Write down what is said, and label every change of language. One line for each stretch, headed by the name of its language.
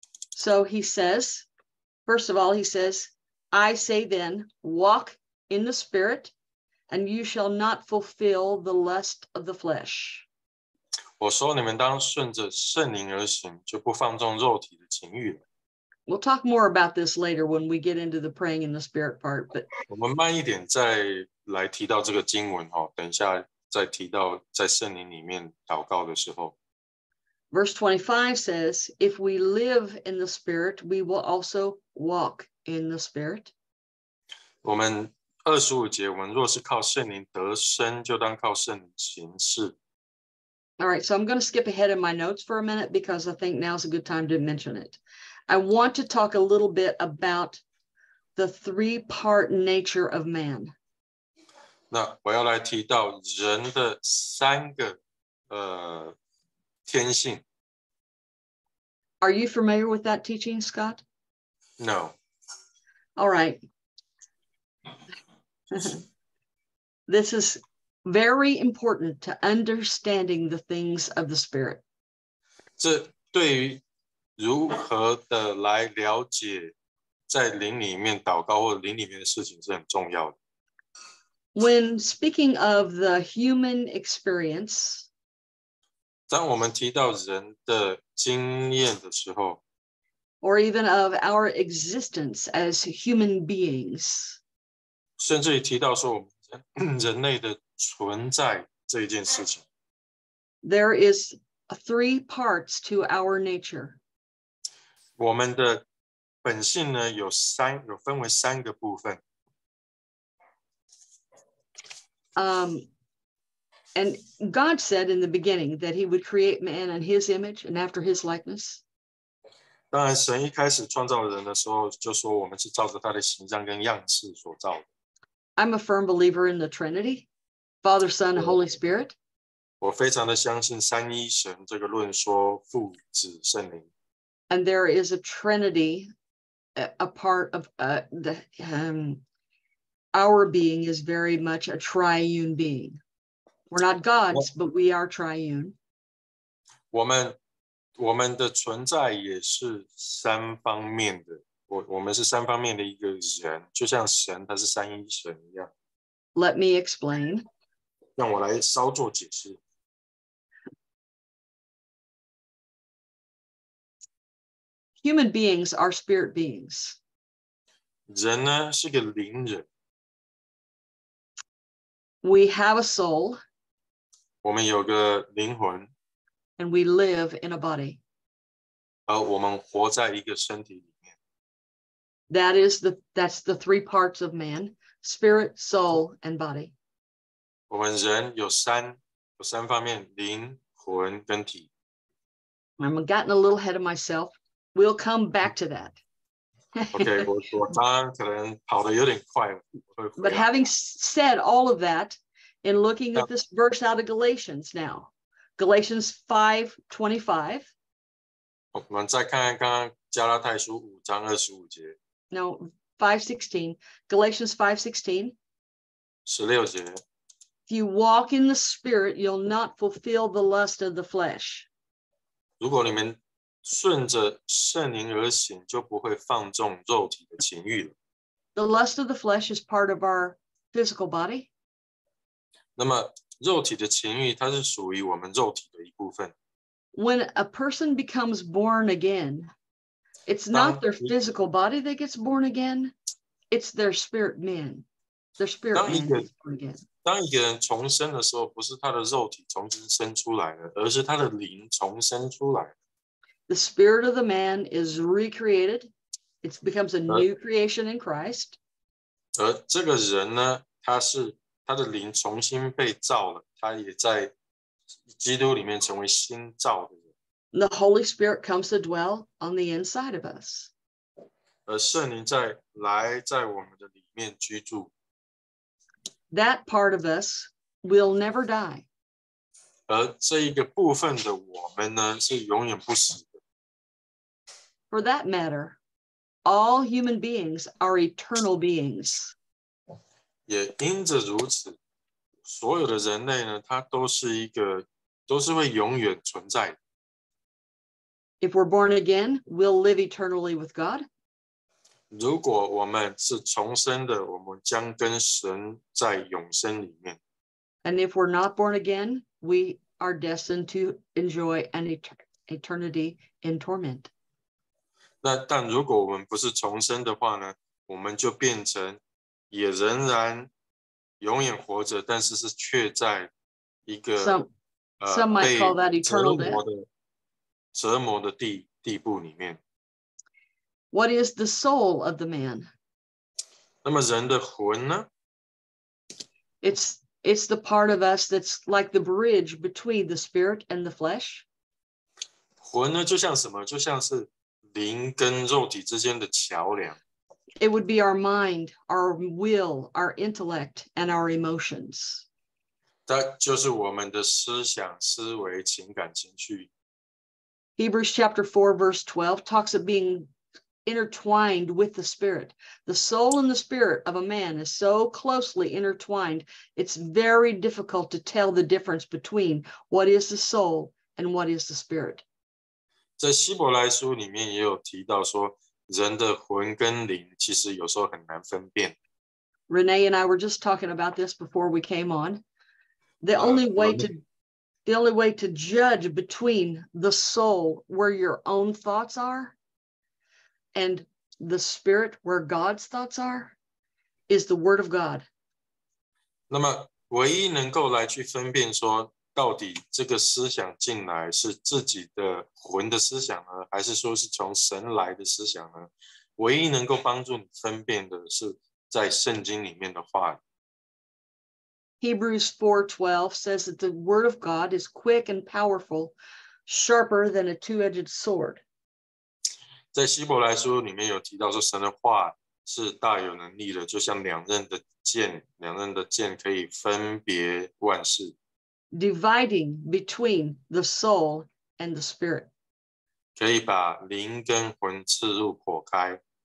English: So he says, first of all, he says, I say then, walk in the spirit, and you shall not fulfill the lust of the flesh.
Chinese: 我说你们当顺着圣灵而行，就不放纵肉体的情欲了。
English: We'll talk more about this later when we get into the praying in the spirit part. But
Chinese: 我们慢一点再来提到这个经文哦，等一下再提到在圣灵里面祷告的时候。
English: Verse 25 says, if we live in the Spirit, we will also walk in the Spirit.
Chinese: 我们二十五节，我们若是靠圣灵得生，就当靠圣灵行事。
English: All right, so I'm going to skip ahead in my notes for a minute because I think now's a good time to mention it. I want to talk a little bit about the three-part nature of man.
Chinese: 那我要来提到人的三个天性。
English: Are you familiar with that teaching, Scott? No. All right. This is very important to understanding the things of the Spirit.
Chinese: 这对于如何的来了解在灵里面祷告或灵里面的事情是很重要的。
English: When speaking of the human experience,
Chinese: 当我们提到人的经验的时候,
English: or even of our existence as human beings,
Chinese: 甚至于提到说我们人类的存在这一件事情,
English: there is three parts to our nature.
Chinese: 我们的本性呢, 有分为三个部分。
English: And God said in the beginning that he would create man in his image and after his likeness.
Chinese: 当然神一开始创造人的时候就说我们是照着他的形象跟样式所造的。
English: I'm a firm believer in the Trinity, Father, Son, Holy Spirit.
Chinese: 我非常的相信三一神这个论说父子圣灵。
English: And there is a Trinity, a part of our being is very much a triune being. We're not gods, but we are triune.
Chinese: 我们的存在也是三方面的。我们是三方面的一个人，就像神，他是三一神一样。
English: Let me explain.
Chinese: 让我来稍作解释。
English: Human beings are spirit beings.
Chinese: 人呢，是个灵人。
English: We have a soul.
Chinese: 我们有个灵魂,
English: and we live in a body.
Chinese: 而我们活在一个身体里面。
English: That's the three parts of man, spirit, soul, and body.
Chinese: 我们人有三方面, 灵魂跟体。
English: I'm getting a little ahead of myself. We'll come back to that.
Chinese: Okay, 我当然可能跑得有点快。
English: But having said all of that,In looking at this verse out of Galatians now, Galatians 5:25.
Chinese: 我们再看看刚刚加拉太书五章二十五节。
English: No, 5:16. Galatians 5:16.
Chinese: 16节。
English: If you walk in the Spirit, you'll not fulfill the lust of the flesh.
Chinese: 如果你们顺着圣灵而行，就不会放纵肉体的情欲了。
English: The lust of the flesh is part of our physical body.
Chinese: 那么肉体的情欲它是属于我们肉体的一部分。
English: When a person becomes born again, it's not their physical body that gets born again, it's their spirit man. Their spirit man gets born again.
Chinese: 当一个人重生的时候不是他的肉体重生出来了而是他的灵重生出来了。
English: The spirit of the man is recreated. It becomes a new creation in Christ.
Chinese: 而这个人呢他是他的灵重新被造了，他也在基督里面成为新造的人。
English: The Holy Spirit comes to dwell on the inside of us.
Chinese: 而圣灵在来在我们的里面居住。
English: That part of us will never die.
Chinese: 而这一个部分的我们呢，是永远不死的。
English: For that matter, all human beings are eternal beings.
Chinese: 也因着如此，所有的人类呢，他都是会永远存在的。
English: If we're born again, we'll live eternally with God.
Chinese: 如果我们是重生的，我们将跟神在永生里面。
English: And if we're not born again, we are destined to enjoy an eternity in torment.
Chinese: 但如果我们不是重生的话呢，我们就变成。也仍然永远活着，但是却在一个
English: some might call that eternal death.
Chinese: 折磨的地步里面。
English: What is the soul of the man?
Chinese: 那么人的魂呢?
English: It's the part of us that's like the bridge between the spirit and the flesh.
Chinese: 魂呢就像什么? 就像是灵跟肉体之间的桥梁。
English: It would be our mind, our will, our intellect, and our emotions.
Chinese: 那就是我们的思想、思维、情感、情绪。
English: Hebrews chapter 4 verse 12 talks of being intertwined with the spirit. The soul and the spirit of a man is so closely intertwined, it's very difficult to tell the difference between what is the soul and what is the spirit.
Chinese: 在希伯来书里面也有提到说人的魂跟灵其实有时候很难分辨。
English: Renee and I were just talking about this before we came on. The only way to judge between the soul, where your own thoughts are, and the spirit, where God's thoughts are, is the Word of God.
Chinese: 那么唯一能够来去分辨说到底这个思想进来是自己的魂的思想呢，还是说是从神来的思想呢？唯一能够帮助你分辨的是在圣经里面的话语。
English: Hebrews 4:12 says that the word of God is quick and powerful, sharper than a two-edged sword.
Chinese: 在希伯来书里面有提到说神的话是大有能力的，就像两刃的剑可以分别万事。
English: Dividing between the soul and the spirit.
Chinese: 可以把灵跟魂刺入破开。